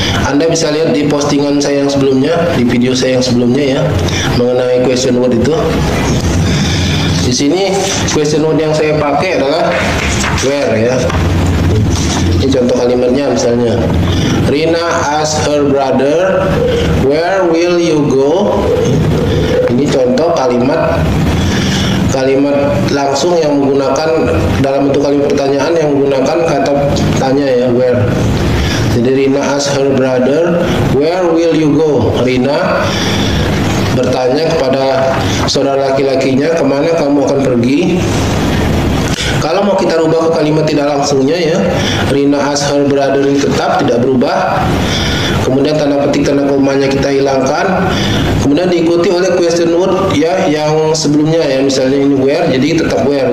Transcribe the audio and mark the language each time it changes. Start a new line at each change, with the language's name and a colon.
Indonesian: Anda bisa lihat di postingan saya yang sebelumnya, di video saya yang sebelumnya ya, mengenai question word itu. Di sini question word yang saya pakai adalah where ya. Ini contoh kalimatnya misalnya.
English: Rina asked her brother, "Where will you go?"
Indonesian: Ini contoh kalimat kalimat langsung yang menggunakan dalam bentuk kalimat pertanyaan yang menggunakan kata tanya ya, where. Jadi
English: Rina asked her brother, "Where will you go?"
Indonesian: Rina bertanya kepada saudara laki-lakinya, "Kemana kamu akan pergi?" Kalau mau kita rubah ke kalimat tidak langsungnya ya,
English: Rina asked her brother
Indonesian: ini tetap tidak berubah. Kemudian tanda petik tanda komanya kita hilangkan. Kemudian diikuti oleh question word ya yang sebelumnya ya, misalnya ini where, jadi tetap where.